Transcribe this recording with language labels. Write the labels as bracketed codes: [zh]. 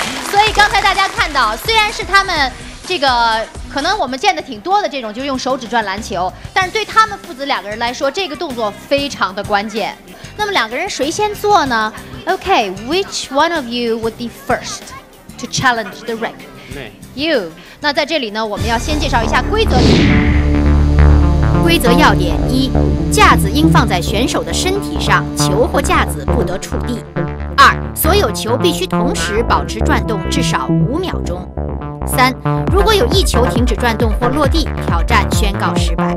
[zh] 所以刚才大家看到，虽然是他们这个可能我们见的挺多的这种就是用手指转篮球，但是对他们父子两个人来说这个动作非常的关键。那么两个人谁先做呢？ [en] OK, which one of you would be first to challenge the record? You。 [zh] 那在这里呢我们要先介绍一下规则。规则要点一，架子应放在选手的身体上，球或架子不得触地。二，所有球必须同时保持转动至少5秒钟。三，如果有一球停止转动或落地，挑战宣告失败。